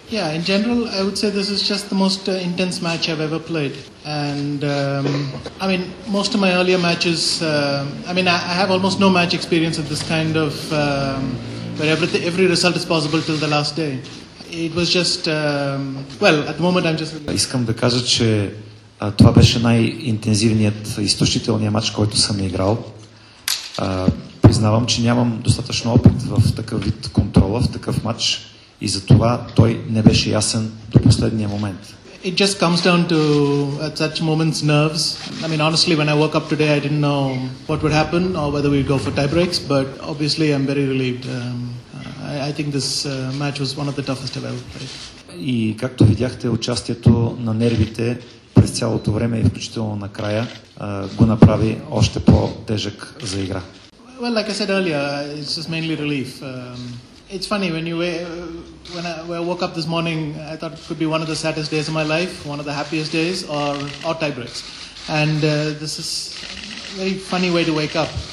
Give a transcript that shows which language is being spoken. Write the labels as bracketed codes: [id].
[en] Yeah, in general, I would say this is just the most intense match I've ever played. And I mean, most of my earlier matches, I have almost no match experience of this kind of, where every result is possible till the last day. It was just, at the moment I'm just... [bg] Искам да кажа, че това беше най-интензивният, изтощителният матч, който съм играл. Признавам, че нямам достатъчно опит в такъв вид контрола, в такъв матч. И затова той не беше ясен до последния момент. [en] It just comes down to at such moments nerves. I mean, honestly, when I woke up today, I didn't know what would happen or whether we'd go for tie breaks. But obviously, I'm very relieved. I think this match was one of the toughest I've ever played. [bg] И както видяхте, участието на нервите през цялото време и включително на края го направи още по-тежък за игра. [en] Well, like I said earlier, it's just mainly relief. It's funny when I woke up this morning, I thought it could be one of the saddest days of my life, one of the happiest days, or tie breaks. And this is a very funny way to wake up.